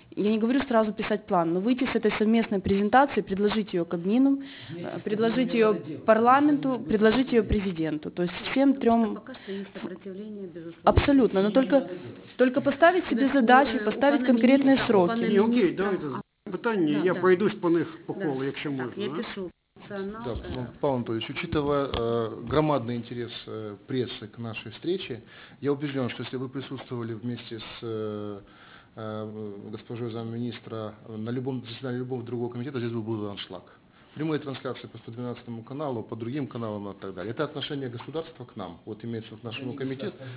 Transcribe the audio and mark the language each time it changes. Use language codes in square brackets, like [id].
[ru] Я не говорю сразу писать план, но выйти с этой совместной презентацией, предложить ее Кабмину, предложить ее парламенту, предложить ее президенту. То есть всем трем... Пока что есть сопротивление, безусловно. Абсолютно, но только поставить себе задачи, поставить конкретные сроки. Не, окей, давайте. [uk] Питання, я пройдусь по них по колу, якщо можна. Так, я пишу. [ru] Да, Павел Анатольевич, учитывая громадный интерес прессы к нашей встрече, я убежден, что если вы присутствовали вместе с госпожу замминистра на любом заседании любого другого комитета, здесь был аншлаг. Прямые трансляции по 112 каналу, по другим каналам и так далее. Это отношение государства к нам, вот имеется к нашему комитету.